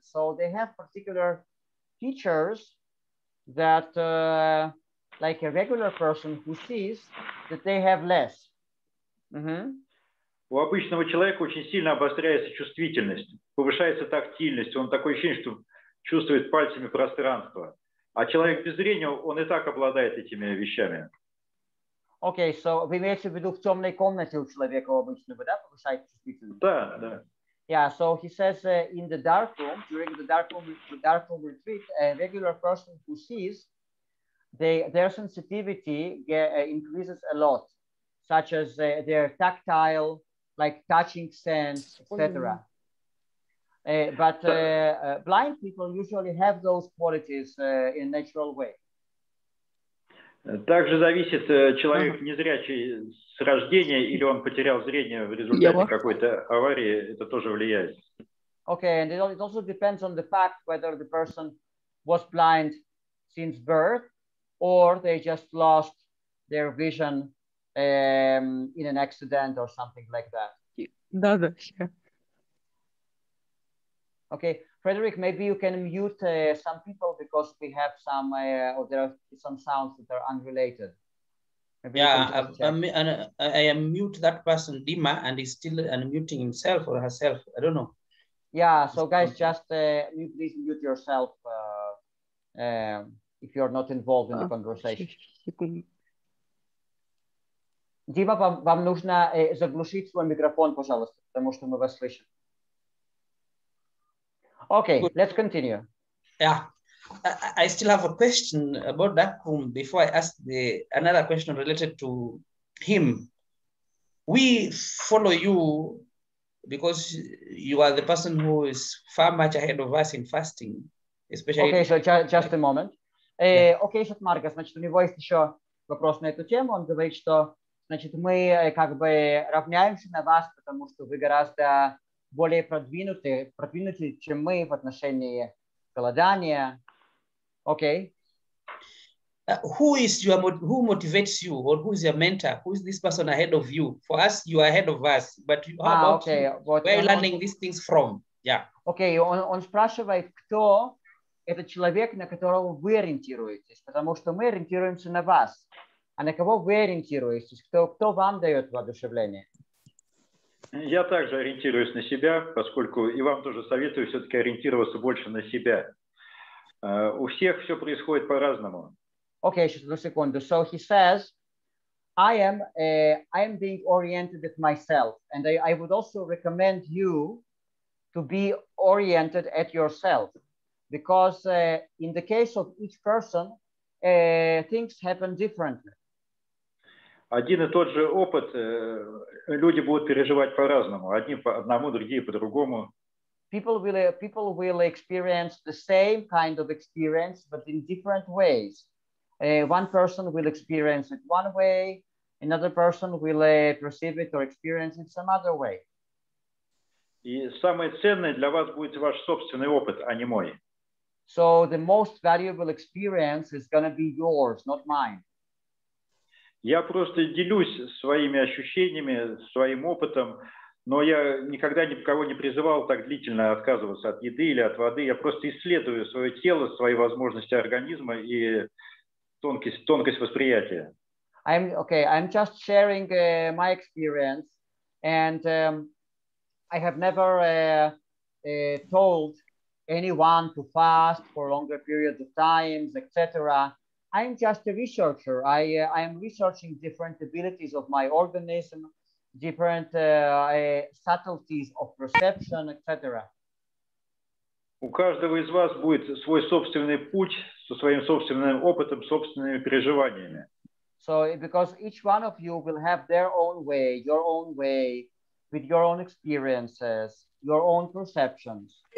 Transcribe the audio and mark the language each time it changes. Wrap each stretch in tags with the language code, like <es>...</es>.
<en>So they have particular features that, like a regular person who sees, that they have less.</en> <ru>У обычного человека очень сильно обостряется чувствительность, повышается тактильность. Он такое ощущение, что чувствует пальцами пространство. А человек без зрения, он и так обладает этими вещами.</ru> <en>Okay, so</en> <ru>вы имеете в виду в темной комнате у человека обычного, да, повышает чувствительность? Да, да.</ru> <en>Yeah, so he says in the dark room, during the dark room retreat, a regular person who sees, their sensitivity increases a lot, such as their tactile, like touching sense, etc. But blind people usually have those qualities in a natural way.</en> <ru>Также зависит человек незрячий с рождения или он потерял зрение в результате какой-то аварии, это тоже влияет.</ru> <en>Okay, and it also depends on the fact whether the person was blind since birth or they just lost their vision in an accident or something like that.</en> <ru>Да, да, все.</ru> <en>Okay, Frederick, maybe you can mute some people because we have some or there are some sounds that are unrelated. Maybe yeah, I mute that person, Dima, and he's still unmuting himself or herself. I don't know. Yeah, so guys, just please mute yourself if you are not involved in the conversation.</en> <ru>Дима, вам нужно заглушить свой микрофон, пожалуйста, потому что мы вас слышим.</ru> <en>Okay, good. Let's continue. Yeah, I still have a question about Dakum before I ask the another question related to him. We follow you because you are the person who is far much ahead of us in fasting, especially. Okay, so just a moment. Yeah.</en> <ru>Okay, Шатмарга, значит, у него есть еще вопрос на эту тему. Он говорит, что значит, мы как бы равняемся на вас, потому что вы гораздо более продвинуты, чем мы в отношении голодания. Окей.</ru> <en>Who motivates you, or who is your mentor? Who is this person ahead of you? For us, you are ahead of us, but how about okay. You? Where are you learning these things from? Yeah.</en> <ru>Окей, он спрашивает, кто этот человек, на которого вы ориентируетесь, потому что мы ориентируемся на вас. А на кого вы ориентируетесь? Кто вам дает воодушевление? Я также ориентируюсь на себя, поскольку и вам тоже советую все-таки ориентироваться больше на себя. У всех все происходит по-разному. Окей, сейчас одну секунду.</ru> <en>So he says, I am being oriented at myself, and I would also recommend you to be oriented at yourself, because in the case of each person, things happen differently.</en> <ru>Один и тот же опыт люди будут переживать по-разному. Одни по одному, другие по-другому.</ru> <en>People will experience the same kind of experience, but in different ways. One person will experience it one way, another person will perceive it or experience it some other way.</en> <ru>И самое ценное для вас будет ваш собственный опыт, а не мой.</ru> <en>So the most valuable experience is going to be yours, not mine.</en> <ru>Я просто делюсь своими ощущениями, своим опытом, но я никогда никого не призывал так длительно отказываться от еды или от воды. Я просто исследую свое тело, свои возможности организма и тонкость восприятия.</ru> <en>I'm just sharing my experience, and I have never told anyone to fast for longer periods of times, etc. I'm just a researcher. I am researching different abilities of my organism, different subtleties of perception, etc.</en> <ru>У каждого из вас будет свой собственный путь со своим собственным опытом, собственными переживаниями.</ru> <en>So, because each one of you will have their own way, with your own experiences, your own perceptions.</en>